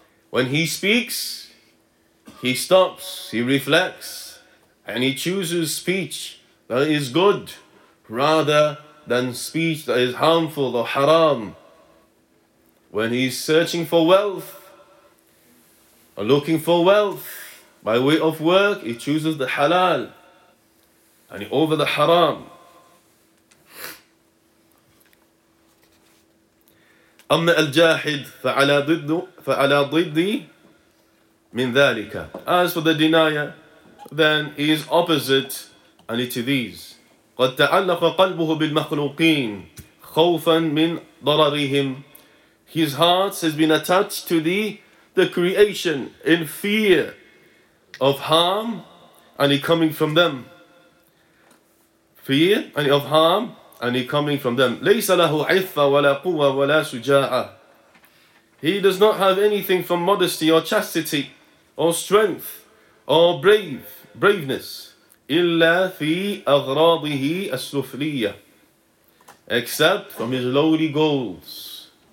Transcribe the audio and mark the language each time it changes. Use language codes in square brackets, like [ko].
[en] When he speaks, he stops, he reflects, and he chooses speech that is good rather than speech that is harmful or haram. When he's searching for wealth or looking for wealth by way of work, he chooses the halal and over the haram. [ar] أما الجاحد فعلى ضدي من ذلك. [en] As for the denier, then he is opposite and to these. [ar] قد تعلق قلبه بالمخلوقين خوفا من ضررهم. [en] His heart has been attached to the creation in fear of harm and he coming from them. Fear and of harm and he coming from them. [ar] ليس له عفة ولا قوة ولا شجاعة. [en] He does not have anything from modesty or chastity or strength or braveness. [ar] إلا في أغراضه السفلية. [en] Except from his lowly goals.